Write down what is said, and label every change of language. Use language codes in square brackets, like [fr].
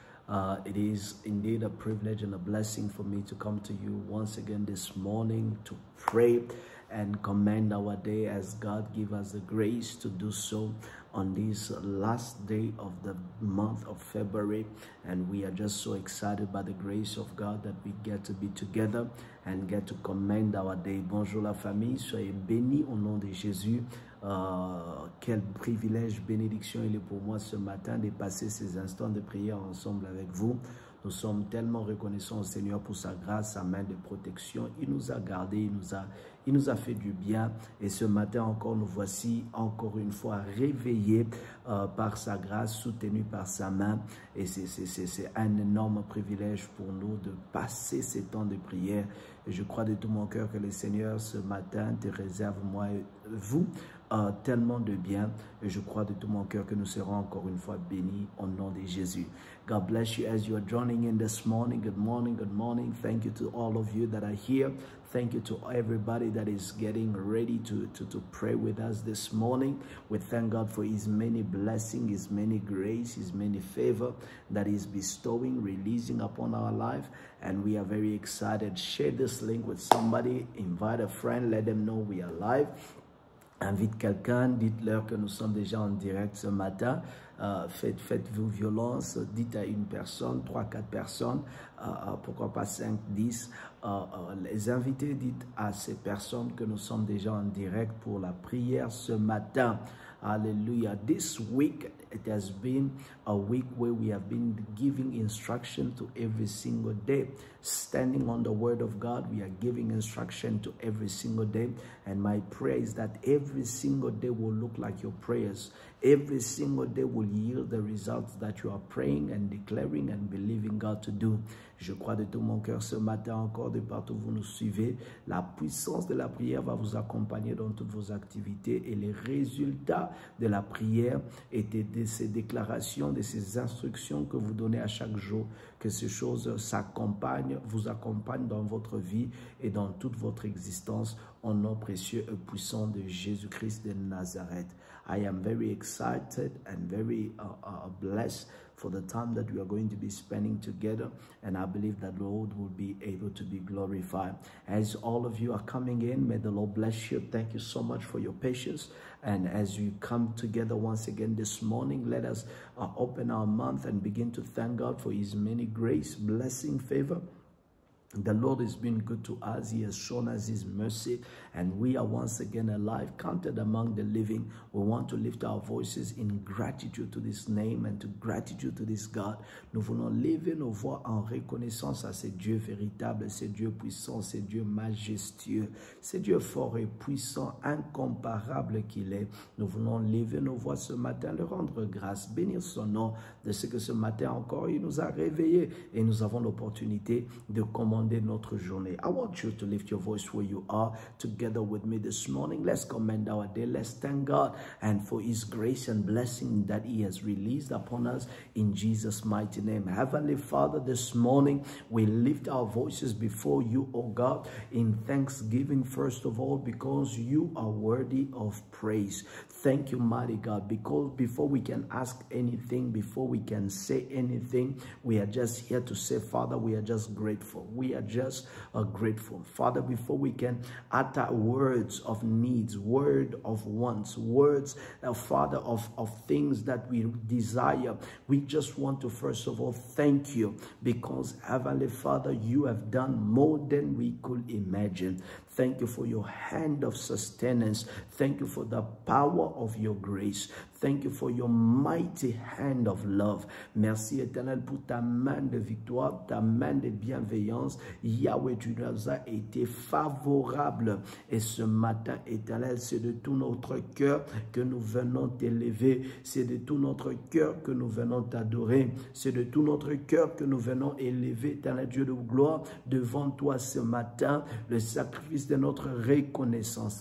[en] It is indeed a privilege and a blessing for me to come to you once again this morning to pray and commend our day as God give us the grace to do so on this last day of the month of February. And we are just so excited by the grace of God that we get to be together and get to commend our day. [fr] Bonjour la famille, soyez bénis au nom de Jésus. Quel privilège, bénédiction il est pour moi ce matin de passer ces instants de prière ensemble avec vous. Nous sommes tellement reconnaissants au Seigneur pour sa grâce, sa main de protection. Il nous a gardés, il nous a fait du bien. Et ce matin encore, nous voici encore une fois réveillés par sa grâce, soutenus par sa main. Et c'est un énorme privilège pour nous de passer ces temps de prière. Et je crois de tout mon cœur que le Seigneur ce matin te réserve, moi et vous, tellement de bien. Et je crois de tout mon cœur que nous serons encore une fois bénis au nom de Jésus. [en] God bless you as you are joining in this morning. Good morning, good morning. Thank you to all of you that are here. Thank you to everybody that is getting ready to pray with us this morning. We thank God for his many blessings, his many grace, his many favor that he's bestowing, releasing upon our life. And we are very excited. Share this link with somebody. Invite a friend. Let them know we are live. Invite [fr] quelqu'un. Dites-leur que nous sommes déjà en direct ce matin. Faites-vous violence, dites à une personne, 3-4 personnes, pourquoi pas 5-10, les invités, dites à ces personnes que nous sommes déjà en direct pour la prière ce matin. Alléluia. [en] This week, it has been a week where we have been giving instruction to every single day. Standing on the word of God, we are giving instruction to every single day. And my prayer is that every single day will look like your prayers. Every single day will yield the results that you are praying and declaring and believing God to do. [fr] Je crois de tout mon cœur ce matin encore, de partout où vous nous suivez, la puissance de la prière va vous accompagner dans toutes vos activités et les résultats de la prière et de ces déclarations, de ces instructions que vous donnez à chaque jour, que ces choses s'accompagnent, vous accompagnent dans votre vie et dans toute votre existence au nom précieux et puissant de Jésus-Christ de Nazareth. [en] I am very excited and very blessed for the time that we are going to be spending together. And I believe that the Lord will be able to be glorified. As all of you are coming in, may the Lord bless you. Thank you so much for your patience. And as you come together once again this morning, let us open our mouth and begin to thank God for his many grace, blessing, favor. The Lord has been good to us. He has shown us his mercy. And we are once again alive, counted among the living. We want to lift our voices in gratitude to this name and to gratitude to this God. [fr] Nous voulons lever nos voix en reconnaissance à ce Dieu véritable, ce Dieu puissant, ce Dieu majestueux, ce Dieu fort et puissant, incomparable qu'il est. Nous voulons lever nos voix ce matin, le rendre grâce, bénir son nom de ce que ce matin encore il nous a réveillé et nous avons l'opportunité de commander notre journée. [en] I want you to lift your voice where you are together with me this morning. Let's commend our day. Let's thank God and for his grace and blessing that he has released upon us in Jesus' mighty name. Heavenly Father, this morning we lift our voices before you, O God, in thanksgiving first of all, because you are worthy of praise. Thank you, mighty God, because before we can ask anything, before we can say anything, we are just here to say, Father, we are just grateful. We are just grateful. Father, before we can utter words of needs, word of wants, words, Father, of things that we desire, we just want to first of all thank you, because Heavenly Father, you have done more than we could imagine. Thank you for your hand of sustenance. Thank you for the power of your grace. Thank you for your mighty hand of love. [fr] Merci Éternel pour ta main de victoire, ta main de bienveillance. Yahweh, tu nous as été favorable. Et ce matin, Éternel, c'est de tout notre cœur que nous venons t'élever. C'est de tout notre cœur que nous venons t'adorer. C'est de tout notre cœur que nous venons élever, Éternel Dieu de gloire, devant toi ce matin, le sacrifice de notre reconnaissance.